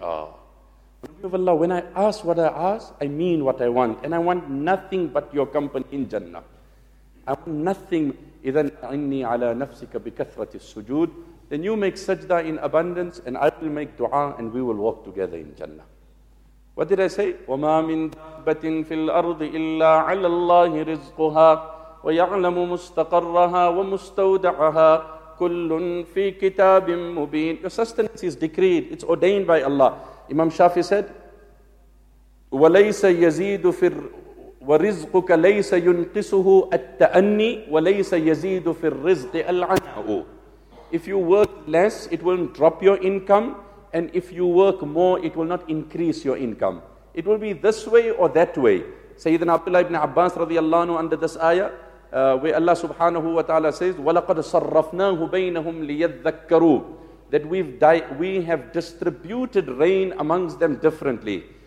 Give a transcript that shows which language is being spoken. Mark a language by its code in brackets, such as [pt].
[en] O Nabi of Allah, when I ask what I ask, I mean what I want. And I want nothing but your company in Jannah. I want nothing. [ar] إِذَنْ عِنِّي عَلَىٰ نَفْسِكَ بِكَثْرَةِ السُّجُودِ [en] Then you make sajda in abundance and I will make dua and we will walk together in Jannah. What did I say? [ar] وَمَا مِن دَابَّةٍ فِي الْأَرْضِ إِلَّا عَلَى اللَّهِ رِزْقُهَا ويعلم مستقرها ومستودعها كل في كتاب مبين. [en] Your sustenance is decreed, it's ordained by Allah. Imam Shafi said, [ar] وَلَيْسَ يَزِيدُ فِي وَرِزْقُكَ لَيْسَ يُنْقِسُهُ التَّأَنِّي وَلَيْسَ يَزِيدُ فِي الرِّزْقِ الْعَنَاءُ. [en] If you work less, it will drop your income, and if you work more, it will not increase your income. It will be this way or that way. Sayyidina Abdullah ibn Abbas radiallahu anhu, under this ayah, where Allah subhanahu wa ta'ala says, [ar] وَلَقَدْ صَرَّفْنَاهُ بَيْنَهُمْ لِيَذَّكَّرُوا, [en] that we have distributed rain amongst them differently.